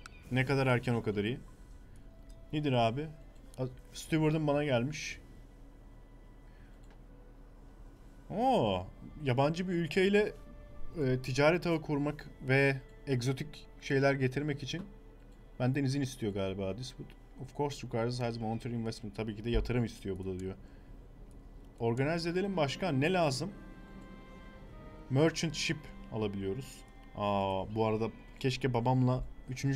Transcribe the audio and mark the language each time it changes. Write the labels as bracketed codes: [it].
[tr] Ne kadar erken o kadar iyi. Nedir abi? Steward'ın bana gelmiş. Oo, yabancı bir ülkeyle ticaret ağı kurmak ve egzotik şeyler getirmek için benden izin istiyor galiba. [en] This would of course requires a monetary investment. [tr] Tabii ki de yatırım istiyor bu da diyor. Organize edelim başkan. Ne lazım? Merchant ship alabiliyoruz. Aa, bu arada keşke babamla 3.